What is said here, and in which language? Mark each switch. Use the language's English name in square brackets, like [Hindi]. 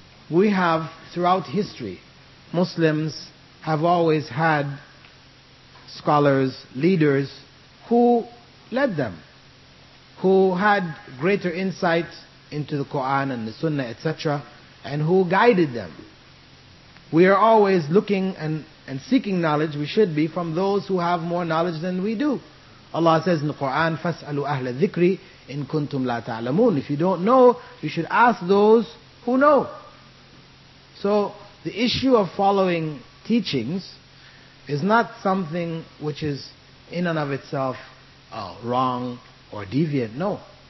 [English] we have, throughout history, Muslims have always had scholars, leaders, who led them, who had greater insight into the Quran and the Sunnah, etc., and who guided them. We are always looking and seeking knowledge, we should be, from those who have more knowledge than we do. Allah says in the Quran, [Arabic] فَاسْأَلُوا أَهْلَ الذِّكْرِ إِن كُنْتُمْ لَا تَعْلَمُونَ. [English] If you don't know, you should ask those who know. So the issue of following teachings is not something which is in and of itself wrong or deviant, no.